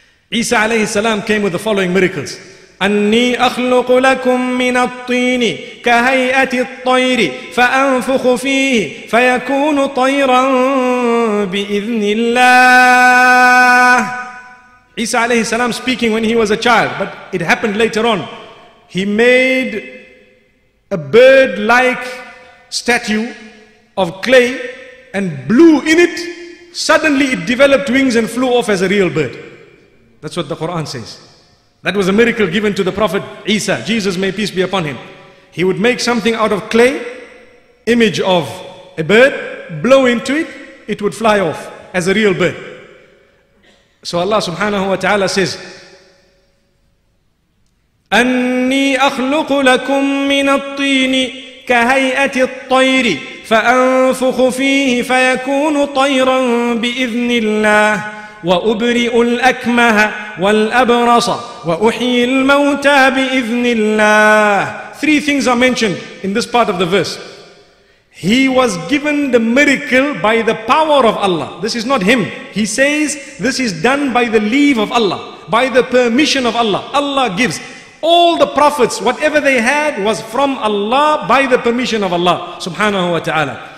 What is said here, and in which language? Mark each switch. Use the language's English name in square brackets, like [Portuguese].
[English] Isa alayhi salam came with the following miracles. [Arabic] أني أخلق لكم من الطين كهيئة الطير فأنفخ فيه فيكون طيرا بإذن الله. [English] Isa alayhi salam speaking when he was a child, but it happened later on. He made a bird-like statue of clay and blew in it. Suddenly it developed wings and flew off as a real bird. That's what the Quran says. That was a miracle given to the Prophet Isa, Jesus may peace be upon him. He would make something out of clay, image of a bird, blow into it, it would fly off as a real bird. So Allah subhanahu wa ta'ala says, [Arabic] أني أخلق لكم من الطين كهيئة الطير فأنفخ فيه فيكون طيرا بإذن الله وأبرئ الأكمه والأبرص وأحيي الموتى بإذن الله. [English] Three things are mentioned in this part of the verse. He was given the miracle by the power of Allah. This is not him. He says this is done by the leave of Allah, by the permission of Allah. Allah gives. All the prophets, whatever they had was from Allah by the permission of Allah subhanahu wa ta'ala.